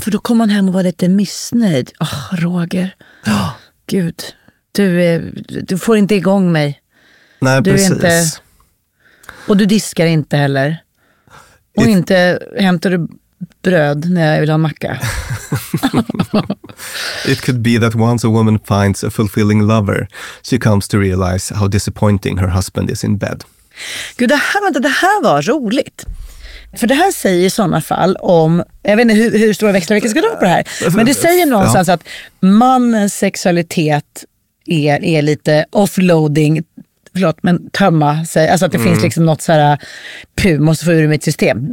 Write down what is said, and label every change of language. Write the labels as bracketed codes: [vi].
[sv] För då kom man hem och var lite missnöjd. Roger, gud, du får inte igång mig. Nej, du precis. Inte, och du diskar inte heller. Och inte hämtar du bröd när jag vill ha macka. [en] It could be that once a woman finds a fulfilling lover, she comes to realize how disappointing her husband is in bed. [sv] Gud, det här var roligt. För det här säger i sådana fall om, jag vet inte hur stora växlar vilka ska dra på det här, men det säger någonstans att mannens sexualitet är lite offloading, förlåt, men tömma sig. Alltså att det finns liksom något såhär, puh, måste få ur mitt system.